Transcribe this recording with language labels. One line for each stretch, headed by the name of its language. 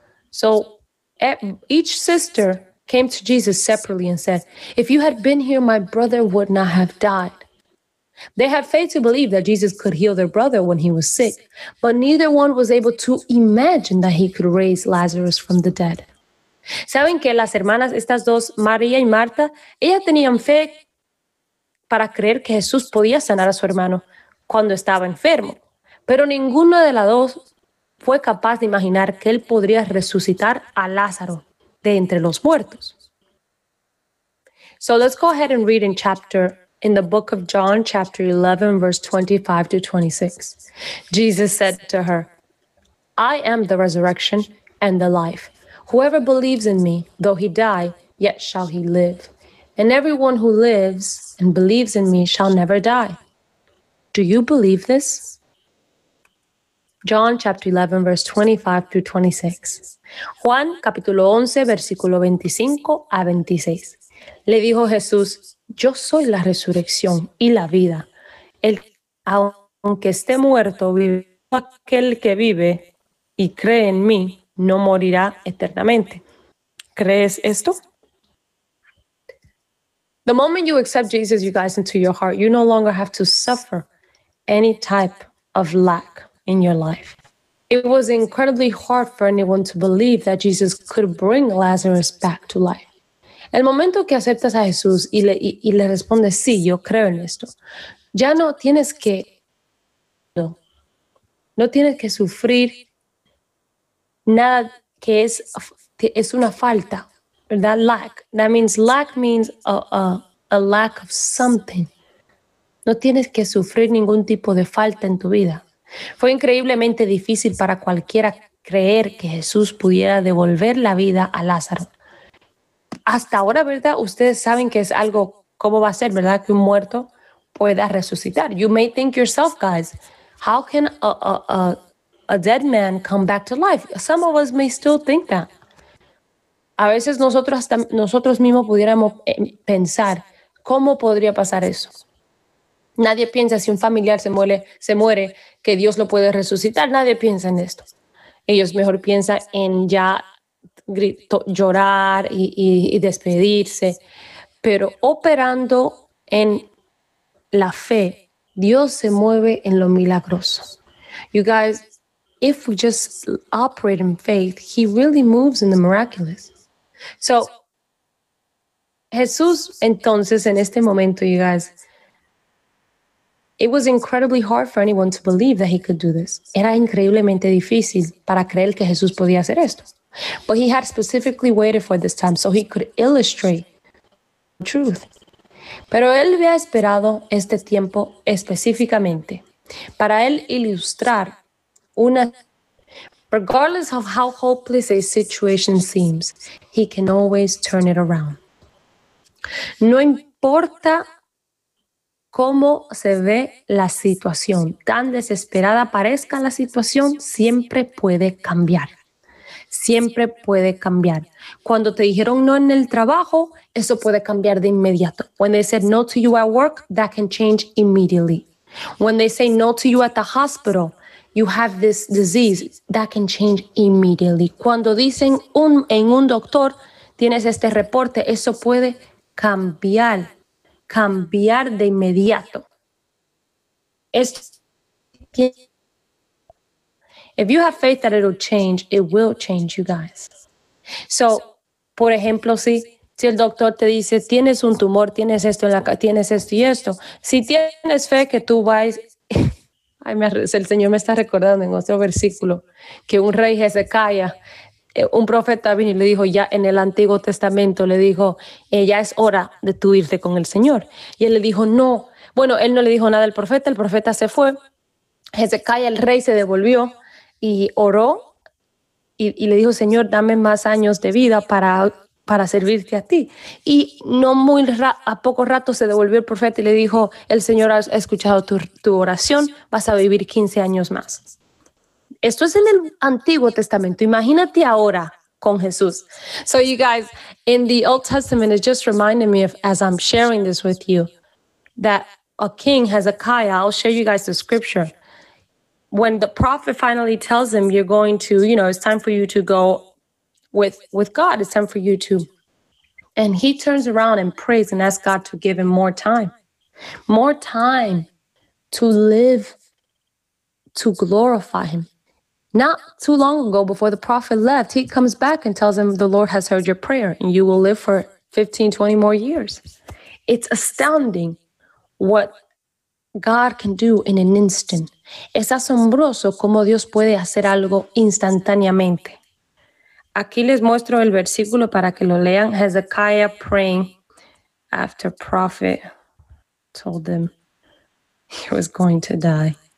English: So each sister came to Jesus separately and said, if you had been here, my brother would not have died. They had faith to believe that Jesus could heal their brother when he was sick, but neither one was able to imagine that he could raise Lazarus from the dead.
Spanish: Saben que las hermanas, estas dos, María y Marta, ellas tenían fe para creer que Jesús podía sanar a su hermano cuando estaba enfermo, pero ninguna de las dos fue capaz de imaginar que él podría resucitar a Lázaro de entre los muertos.
English: So let's go ahead and read in the book of John, chapter 11, verse 25 to 26. Jesus said to her, I am the resurrection and the life. Whoever believes in me, though he die, yet shall he live. And everyone who lives and believes in me shall never die. Do you believe this? John, chapter 11, verse 25 to 26.
Spanish: Juan, capítulo 11, versículo 25 a 26. Le dijo Jesús, yo soy la resurrección y la vida. El, aunque esté muerto, vive. Aquel que vive y cree en mí, no morirá eternamente. ¿Crees esto?
English: The moment you accept Jesus, you guys, into your heart, you no longer have to suffer any type of lack in your life. It was incredibly hard for anyone to believe that Jesus could bring Lazarus back to life.
Spanish: El momento que aceptas a Jesús y le respondes, sí, yo creo en esto, ya no tienes que, no tienes que sufrir nada que es una falta,
English: that lack. That means lack means a lack of something.
Spanish: No tienes que sufrir ningún tipo de falta en tu vida. Fue increíblemente difícil para cualquiera creer que Jesús pudiera devolver la vida a Lázaro. Hasta ahora, ¿verdad? Ustedes saben que es algo, ¿cómo va a ser, verdad? Que un muerto pueda resucitar.
English: You may think yourself, guys, how can a dead man come back to life? Some of us may still think that.
Spanish: A veces nosotros, hasta nosotros mismos pudiéramos pensar, ¿cómo podría pasar eso? Nadie piensa si un familiar se muere, que Dios lo puede resucitar. Nadie piensa en esto. Ellos mejor piensan en ya llorar y despedirse, pero operando en la fe, Dios se mueve en lo milagroso.
English: You guys, if we just operate in faith, he really moves in the miraculous.
Spanish: So, Jesús, entonces, en este momento,
English: you guys, It was incredibly hard for anyone to believe that he could do this.
Spanish: Era increíblemente difícil para creer que Jesús podía hacer esto.
English: But he had specifically waited for this time so he could illustrate the truth.
Spanish: Pero él había esperado este tiempo específicamente para él ilustrar una.
English: Regardless of how hopeless a situation seems, he can always turn it around.
Spanish: No importa cómo se ve la situación, tan desesperada parezca la situación, siempre puede cambiar. Siempre puede cambiar. Cuando te dijeron no en el trabajo, eso puede cambiar de inmediato.
English: When they said no to you at work, that can change immediately. When they say no to you at the hospital, you have this disease, that can change immediately.
Spanish: Cuando dicen en un doctor, tienes este reporte, eso puede cambiar. Cambiar de inmediato.
English: If you have faith that it'll change, it will change, you guys.
Spanish: So, por ejemplo, si el doctor te dice, tienes un tumor, tienes esto, tienes esto y esto. Si tienes fe que tú vas, ay, el Señor me está recordando en otro versículo, que un rey Hezekiah, un profeta vino y le dijo, ya en el Antiguo Testamento, le dijo, ya es hora de tú irte con el Señor. Y él le dijo, no. Bueno, él no le dijo nada al profeta, el profeta se fue. Hezekiah, el rey, se devolvió y oró y le dijo, Señor, dame más años de vida para servirte a ti. Y no muy a poco rato se devolvió el profeta y le dijo, el Señor ha escuchado tu oración, vas a vivir 15 años más. Esto es en el Antiguo Testamento. Imagínate ahora con Jesús.
English: So you guys, in the Old Testament, it just reminded me of, as I'm sharing this with you, that a king, Hezekiah, I'll share you guys the scripture. When the prophet finally tells him, you're going to, you know, it's time for you to go with God. It's time for you to. And he turns around and prays and asks God to give him more time. More time to live, to glorify him. Not too long ago, before the prophet left, he comes back and tells him, the Lord has heard your prayer and you will live for 15, 20 more years. It's astounding what God can do in an instant.
Spanish: Es asombroso cómo Dios puede hacer algo instantáneamente. Aquí les muestro el versículo para que lo lean.
English: Hezekiah praying after prophet told him he was going to die.